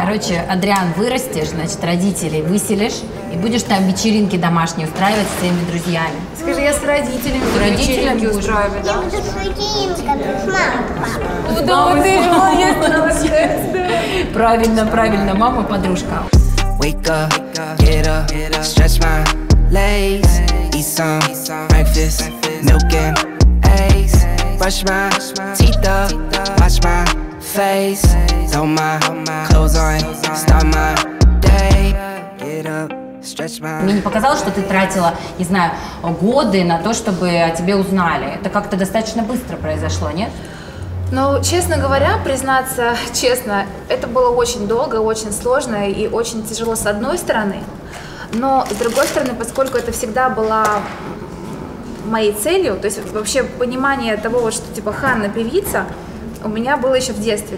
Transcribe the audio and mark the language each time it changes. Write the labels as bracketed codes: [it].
[ru] Короче, Адриан, вырастешь, значит, родителей выселишь, и будешь там вечеринки домашние устраивать с своими друзьями. Скажи, я с родителями буду вечеринки устраивать. Я буду с вечеринками, с мамой, Ну, дома ты же молодец. Правильно, мама, подружка. [en] Wake up, get up, stretch my legs, eat some breakfast, milk and eggs, brush my teeth up, watch my face, throw my clothes on, start my day, get up. [ru] Мне не показалось, что ты тратила, не знаю, годы на то, чтобы о тебе узнали. Это как-то достаточно быстро произошло, нет? Ну, честно говоря, признаться честно, это было очень долго, очень сложно и очень тяжело с одной стороны. Но с другой стороны, поскольку это всегда была моей целью, то есть вообще понимание того, что типа Ханна певица, у меня было еще в детстве.